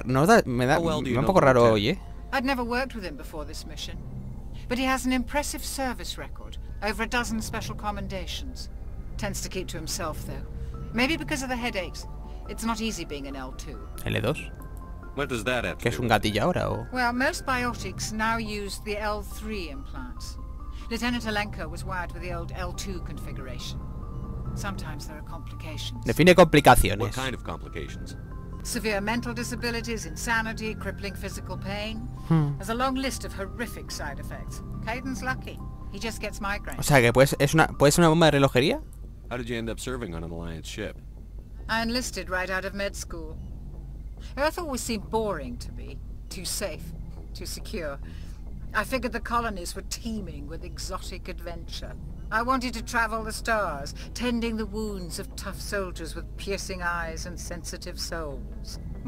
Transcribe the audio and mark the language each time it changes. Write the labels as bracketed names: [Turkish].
[Spanish] No da, me da, va un poco raro hoy, ¿eh? [English] I'd never worked with him before this mission, but he has an impressive service record, over a dozen special commendations. Tends to keep to himself, though. Maybe because of the headaches. It's not easy being an L2. L2? What does that have to [Spanish] do? ¿Que es un gatillo ahora, o...? [English] Well, most biotics now use the L3 implants. Lieutenant Alenko was wired with the old L2 configuration. Sometimes there are complications. [Spanish] Define complicaciones. [English] What kind of complications? Severe mental disabilities, insanity, crippling physical pain. There's a long list of horrific side effects. Caden's lucky. He just gets migraines. [Spanish] O sea, que puede ser una bomba de relojería. [English] How did you end up serving on an Alliance ship? I enlisted right out of med school. Earth always seemed boring to me. Too safe, too secure. I figured the colonies were teeming with exotic adventure. I wanted to travel the stars, tending the wounds of tough soldiers with piercing eyes and sensitive souls.